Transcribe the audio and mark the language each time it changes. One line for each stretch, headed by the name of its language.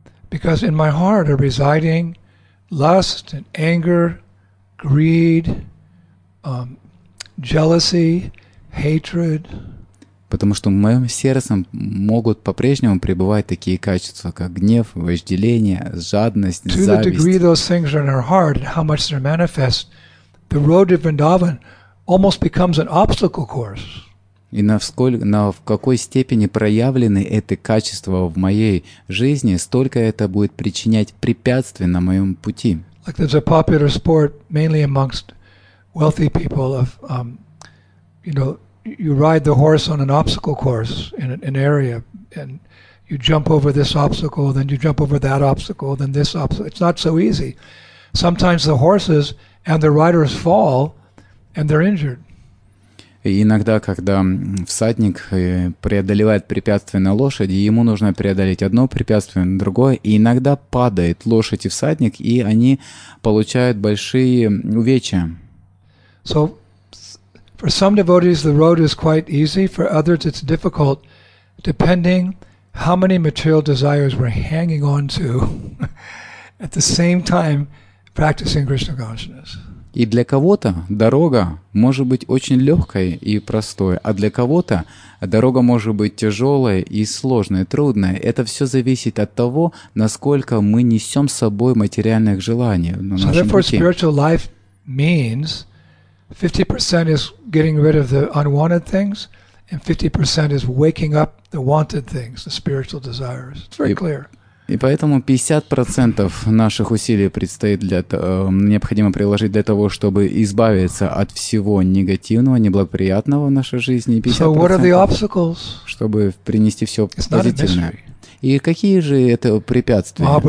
English: Because in my heart are residing lust and anger, greed, jealousy, hatred.
Russian: Потому что в моем сердце могут по-прежнему пребывать такие качества, как гнев, вожделение, жадность, зависть.
English: To the degree those things are in our heart and how much they're manifest, the road to Vrindavan almost becomes an obstacle course.
Russian: И в какой степени проявлены эти качества в моей жизни, столько это будет причинять препятствий на моем пути.
English: Like there's a popular sport, mainly amongst wealthy people, of, you ride the horse on an obstacle course in an area, and you jump over this obstacle, then you jump over that obstacle, then this obstacle. It's not so easy. Sometimes the horses and the riders fall, and they're injured.
Russian: И иногда, когда всадник преодолевает препятствия на лошади, ему нужно преодолеть одно препятствие, другое, и иногда падает лошадь и всадник, и они получают большие увечья.
English: So, for some devotees, the road is quite easy. For others, it's difficult, depending how many material desires we're hanging on to at the same time practicing Krishna consciousness.
Russian: И для кого-то дорога может быть очень легкой и простой, а для кого-то дорога может быть тяжелой и сложной, трудной. Это все зависит от того, насколько мы несем с собой материальных желаний на нашем пути.
English: So therefore, spiritual life means 50% is getting rid of the unwanted things, and 50% is waking up the wanted things, the spiritual desires. It's very clear.
Russian: И поэтому 50% наших усилий предстоит для необходимо приложить для того, чтобы избавиться от всего негативного, неблагоприятного в нашей жизни. 50%, чтобы принести все позитивное. И какие же это препятствия?